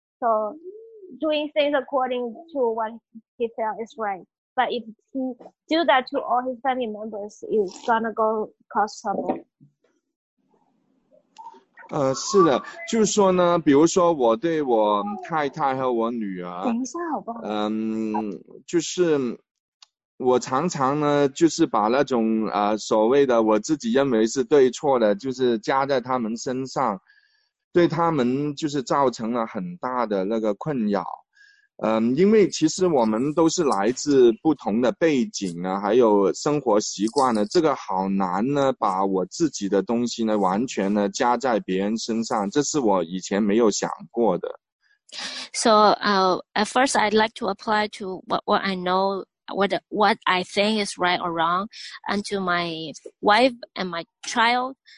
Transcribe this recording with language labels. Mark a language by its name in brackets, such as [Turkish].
[English] So doing things according to what he felt is right. But if he do that to all his family members, it's gonna go cause trouble. [Chinese] 是的，就是说呢，比如说我对我太太和我女儿，等一下好不好？就是我常常呢，就是把那种所谓的我自己认为是对错的，就是加在他们身上，对他们就是造成了很大的那个困扰。因为其实我们都是来自不同的背景啊，还有生活习惯呢，这个好难呢，把我自己的东西呢完全呢加在别人身上，这是我以前没有想过的。 [English] So, at first I'd like to apply to what I know, what I think is right or wrong, and to my wife and my child.